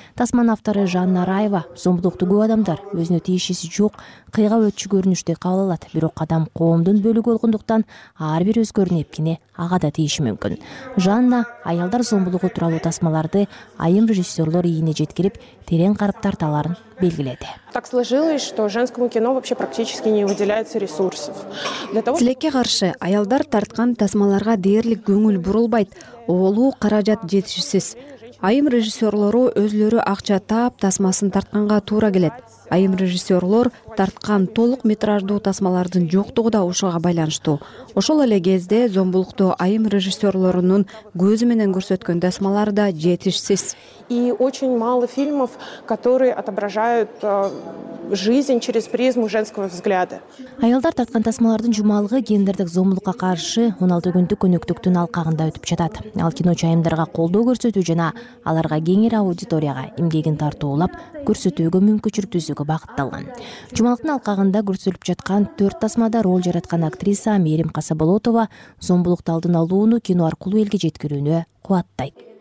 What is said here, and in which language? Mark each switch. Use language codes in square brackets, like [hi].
[ky] Тасманын автору Жанна Раева зомбулукту көп адамдар өзүнө тиешеси жок кыйга өтчү көрүнүштөй кабыл алат. Бирок адам коомдун бөлүгү болгондуктан ар бир өзгөрүнүн эпкине ага да тийиши мүмкүн. Жанна аялдар зомбулугу тууралуу тасмаларды айым режиссерлор ийине жеткирип терең карап тарталарын белгиледи. [ru] Так сложилось, что женскому кино вообще практически не выделяется ресурсов. [ky] Тилекке каршы аялдар тарткан тасмаларга дээрлик көңүл бурулбайт. Оолу каражат жетишсиз. Айым режиссерлору өзлөрү акча таап тасмасын тартканга туура келет. Айым режиссерлор тарткан толук метраждуу тасмалардын жоктугу да ушуга байланыштуу. Ошол эле кезде зомбулукту айым режиссерлорунун көзү менен көрсөткөн тасмалар да жетишсиз. [ru] И очень мало фильмов, которые отображают жизнь через призму женского взгляда. [ky] Аялдар тарткан тасмалардын жумалыгы гендердик зомбулукка каршы 16 күндүк өнөктүктүн алкагында өтүп жатат. Ал киночу айымдарга колдоо көрсөтүү жана аларга кеңири аудиторияга эмгегин тартуулап көрсөтүүгө мүмкүнчүлүк түзүүгө багытталган. Жумалыктын алкагында көрсөтүлүп жаткан 4 тасмада роль жараткан актриса Мээрим Касаболотова зомбулукту алдын алууну кино аркылуу элге жеткирүүнү кубаттайт.